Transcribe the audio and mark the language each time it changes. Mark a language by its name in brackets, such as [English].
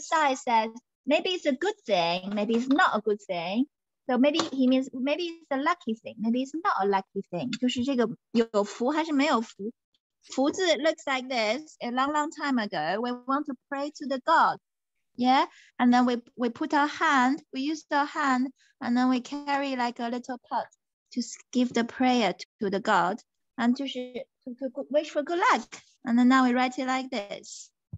[English] Sai says maybe it's a good thing, maybe it's not a good thing. So maybe he means maybe it's a lucky thing, maybe it's not a lucky thing. [Chinese] 就是这个有福还是没有福? [English] 福字 looks like this. A long, long time ago, we want to pray to the God. Yeah, and then we put our hand, we use our hand, and then we carry like a little pot. To give the prayer to the God and to wish for good luck. And then now we write it like this.